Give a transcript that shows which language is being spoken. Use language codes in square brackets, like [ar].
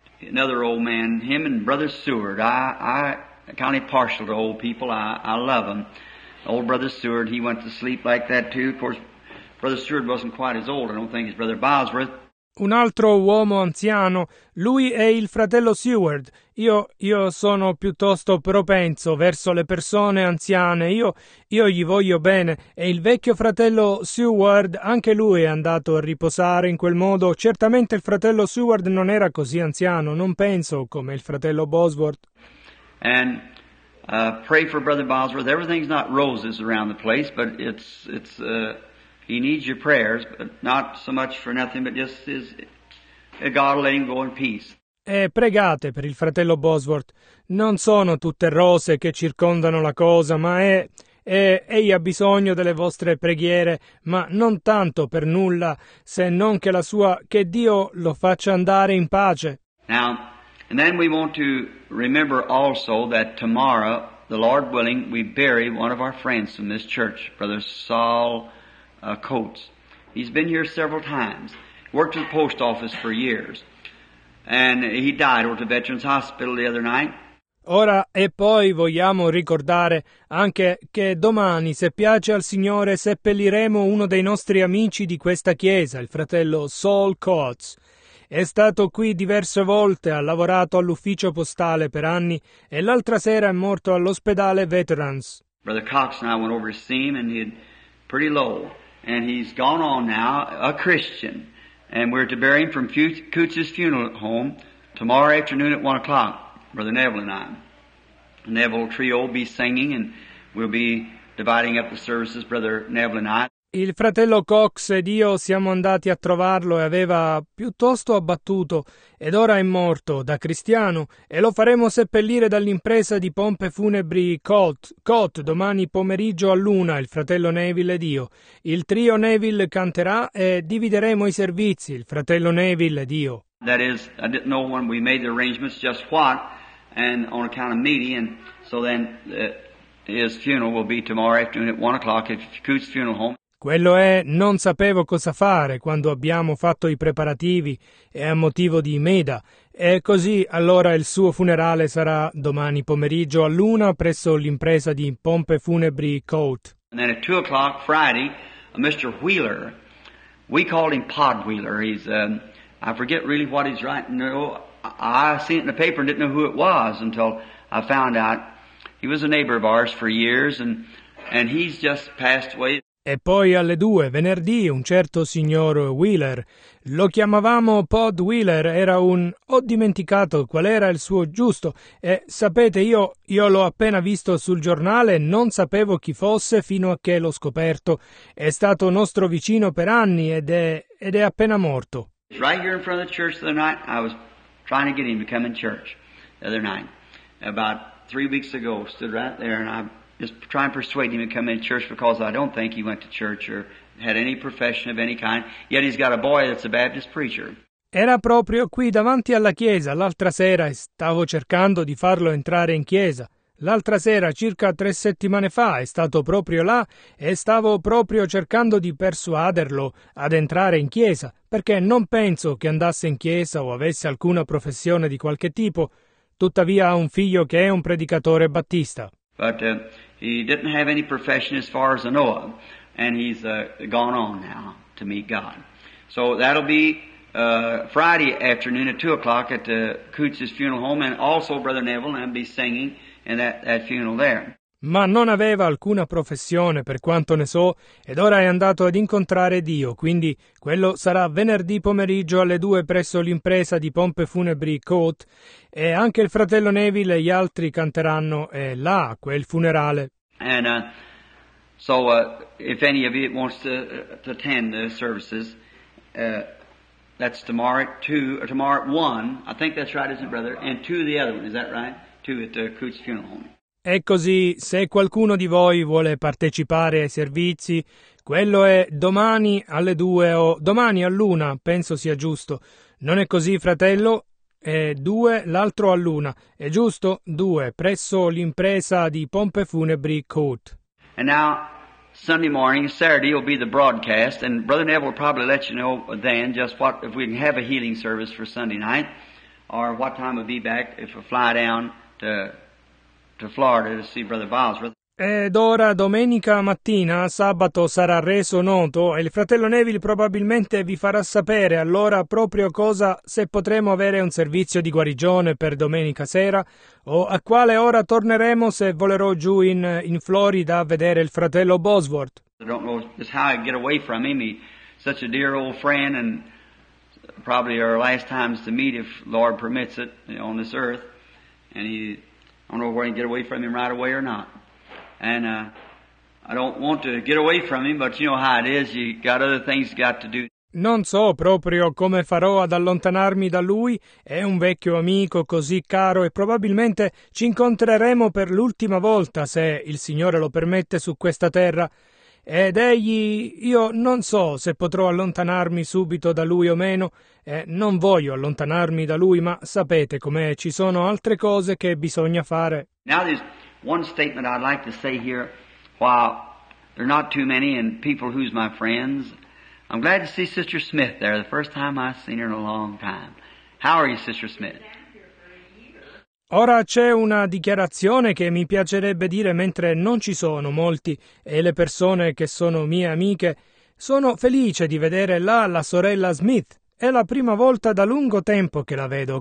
[en] Another old man, him and Brother Seward, I kind of partial to old people, I love them. Old Brother Seward, he went to sleep like that too, of course Brother Seward wasn't quite as old, I don't think, as Brother Bosworth. [it] Un altro uomo anziano, lui è il fratello Seward. Io sono piuttosto propenso verso le persone anziane, io gli voglio bene. E il vecchio fratello Seward, anche lui è andato a riposare in quel modo. Certamente il fratello Seward non era così anziano, non penso come il fratello Bosworth. [en] And pray for Brother Bosworth. Everything's not roses around the place, but it's he needs your prayers, but not so much for nothing, but just his God will let him go in peace. [it] E pregate per il fratello Bosworth. Non sono tutte rose che circondano la cosa, ma egli ha bisogno delle vostre preghiere, ma non tanto per nulla, se non che la sua, che Dio lo faccia andare in pace. [en] Now, and then we want to remember also that tomorrow, the Lord willing, we bury one of our friends from this church, Brother Saul Coates. He's been here several times, worked at the post office for years, and he died at the Veterans Hospital the other night. [it] Ora e poi vogliamo ricordare anche che domani, se piace al Signore, seppelliremo uno dei nostri amici di questa chiesa, il fratello Saul Coates. È stato qui diverse volte, ha lavorato all'ufficio postale per anni e l'altra sera è morto all'ospedale Veterans. [en] Brother Cox and I went over to see him and he'd pretty low. And he's gone on now, a Christian, and we're to bury him from Coots' funeral home tomorrow afternoon at 1 o'clock, Brother Neville and I. Neville Trio will be singing, and we'll be dividing up the services, Brother Neville and I. [it] Il fratello Cox ed io siamo andati a trovarlo e aveva piuttosto abbattuto, ed ora è morto, da cristiano, e lo faremo seppellire dall'impresa di pompe funebri Colt, domani pomeriggio all'1, il fratello Neville ed io. Il trio Neville canterà e divideremo i servizi, il fratello Neville ed io. [en] That is, I didn't know when we made the arrangements, just what, and on account of meeting, and so then his funeral will be tomorrow afternoon at 1 o'clock at Coots' funeral home. [it] Quello è, non sapevo cosa fare quando abbiamo fatto i preparativi e a motivo di Meda. E così allora il suo funerale sarà domani pomeriggio all'1 presso l'impresa di pompe funebri Coat. [en] And then at 2 o'clock Friday, Mr. Wheeler, we call him Pod Wheeler. He's, I forget really what he's writing. No, I seen it in the paper and didn't know who it was until I found out. He was a neighbor of ours for years and he's just passed away. [it] E poi alle 2, venerdì, un certo signor Wheeler, lo chiamavamo Pod Wheeler, era un... ho dimenticato qual era il suo giusto, e sapete, io l'ho appena visto sul giornale, non sapevo chi fosse fino a che l'ho scoperto, è stato nostro vicino per anni ed è appena morto. [en] Right here in front of the church the other night, I was trying to get him to come in church the other night, about 3 weeks ago, stood right there and I... just try and persuade him to come in church because I don't think he went to church or had any profession of any kind. Yet he's got a boy that's a Baptist preacher. [it] Era proprio qui davanti alla chiesa l'altra sera e stavo cercando di farlo entrare in chiesa. L'altra sera, circa 3 settimane fa, è stato proprio là e stavo proprio cercando di persuaderlo ad entrare in chiesa perché non penso che andasse in chiesa o avesse alcuna professione di qualche tipo. Tuttavia ha un figlio che è un predicatore battista. [en] But he didn't have any profession as far as I know of, and he's gone on now to meet God. So that'll be Friday afternoon at 2 o'clock at Coots' funeral home, and also Brother Neville, and I'll be singing in that funeral there. [it] Ma non aveva alcuna professione, per quanto ne so, ed ora è andato ad incontrare Dio, quindi quello sarà venerdì pomeriggio alle 2 presso l'impresa di pompe funebri Cote, e anche il fratello Neville e gli altri canteranno là, a quel funerale. [en] And so if any of you wants to attend the services, that's tomorrow at 2, or tomorrow at 1, I think that's right, isn't it, brother? And 2 the other one, is that right? 2 at Coots' funeral home. [it] E così, se qualcuno di voi vuole partecipare ai servizi, quello è domani alle 2 o domani all'1, penso sia giusto. Non è così, fratello? È 2, l'altro all'1. È giusto? 2, presso l'impresa di pompe funebri Cote. [en] And now, Sunday morning, Saturday, will be the broadcast, and Brother Neville will probably let you know then just what, if we can have a healing service for Sunday night, or what time we'll be back if we fly down to Florida to see Brother Bosworth. [it] Ed ora domenica mattina, sabato, sarà reso noto e il fratello Neville probabilmente vi farà sapere allora proprio cosa, se potremo avere un servizio di guarigione per domenica sera o a quale ora torneremo se volerò giù in Florida a vedere il fratello Bosworth. [en] I don't know just how I get away from him. He's such a dear old friend and probably our last times to meet if Lord permits it on this earth. And he, I don't know where I can get away from him right away or not. And I don't want to get away from him, but you know how it is, you got other things got to do. [it] Non so proprio come farò ad allontanarmi da lui, è un vecchio amico così caro e probabilmente ci incontreremo per l'ultima volta, se il Signore lo permette, su questa terra. Ed egli, io non so se potrò allontanarmi subito da lui o meno, non voglio allontanarmi da lui, ma sapete com'è, ci sono altre cose che bisogna fare. [en] Now this one statement I'd like to say here, while there are not too many and people who's my friends, I'm glad to see Sister Smith there, the first time I've seen her in a long time. How are you, Sister Smith? [it] Ora c'è una dichiarazione che mi piacerebbe dire mentre non ci sono molti e le persone che sono mie amiche. Sono felice di vedere là la sorella Smith. È la prima volta da lungo tempo che la vedo.